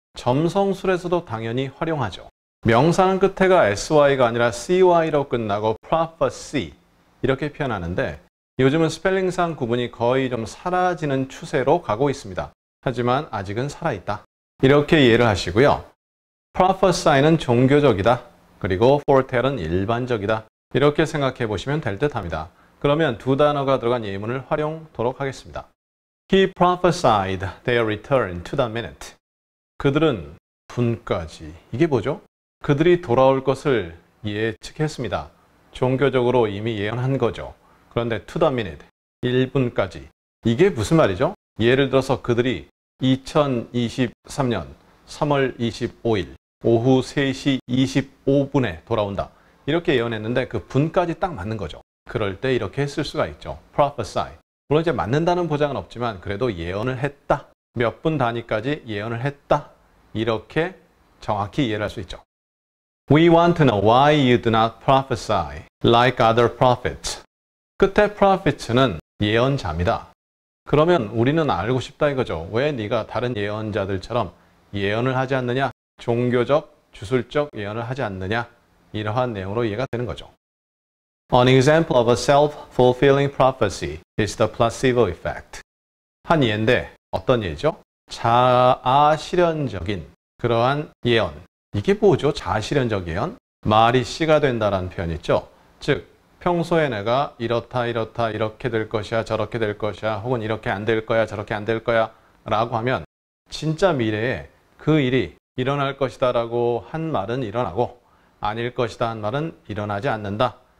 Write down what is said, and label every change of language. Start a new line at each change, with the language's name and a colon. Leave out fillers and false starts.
Korean: 점성술에서도 당연히 활용하죠. 명사는 끝에가 sy가 아니라 cy로 끝나고 prophecy 이렇게 표현하는데 요즘은 스펠링상 구분이 거의 좀 사라지는 추세로 가고 있습니다. 하지만 아직은 살아있다. 이렇게 이해를 하시고요. prophesy는 종교적이다. 그리고 foretell은 일반적이다. 이렇게 생각해 보시면 될 듯합니다. 그러면 두 단어가 들어간 예문을 활용하도록 하겠습니다.
English: He prophesied their return to the minute.
Korean: 그들은 분까지, 이게 뭐죠? 그들이 돌아올 것을 예측했습니다. 종교적으로 이미 예언한 거죠. 그런데
English: to the minute,
Korean: 1분까지, 이게 무슨 말이죠? 예를 들어서 그들이 2023년 3월 25일 오후 3시 25분에 돌아온다. 이렇게 예언했는데 그 분까지 딱 맞는 거죠. 그럴 때 이렇게 쓸 수가 있죠.
English: prophesy.
Korean: 물론 이제 맞는다는 보장은 없지만 그래도 예언을 했다. 몇 분 단위까지 예언을 했다. 이렇게 정확히 이해를 할 수 있죠.
English: We want to know why you do not prophesy like other prophets.
Korean: 끝에 prophets는 예언자입니다. 그러면 우리는 알고 싶다 이거죠. 왜 네가 다른 예언자들처럼 예언을 하지 않느냐? 종교적, 주술적 예언을 하지 않느냐? 이러한 내용으로 이해가 되는 거죠.
English: An example of a self-fulfilling prophecy is the placebo effect.
Korean: 한 예인데 어떤 예죠? 자아실현적인 그러한 예언. 이게 뭐죠? 자아실현적 예언? 말이 씨가 된다라는 표현 있죠? 즉, 평소에 내가 이렇다 이렇다 이렇게 될 것이야 저렇게 될 것이야 혹은 이렇게 안 될 거야 저렇게 안 될 거야 라고 하면 진짜 미래에 그 일이 일어날 것이다 라고 한 말은 일어나고 아닐 것이다 한 말은 일어나지 않는다.